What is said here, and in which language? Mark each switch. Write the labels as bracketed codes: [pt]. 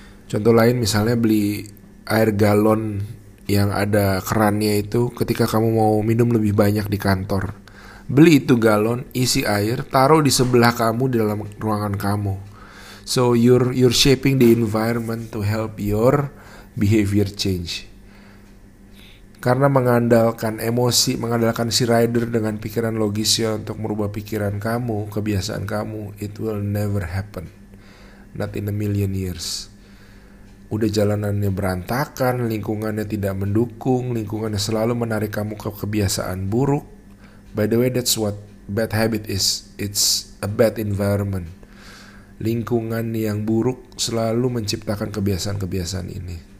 [id] Contoh lain misalnya beli air galon yang ada kerannya itu ketika kamu mau minum lebih banyak di kantor. Beli itu galon, isi air, taruh di sebelah kamu di dalam ruangan kamu. [en] So you're shaping the environment to help your behavior change. [id] Karena mengandalkan emosi, mengandalkan si rider dengan pikiran logisnya untuk merubah pikiran kamu, kebiasaan kamu, [en] it will never happen. Not in a million years. [id] Udah jalanannya berantakan, lingkungannya tidak mendukung, lingkungannya selalu menarik kamu ke kebiasaan buruk. [en] By the way, that's what bad habit is. It's a bad environment. [id] Lingkungan yang buruk selalu menciptakan kebiasaan-kebiasaan ini.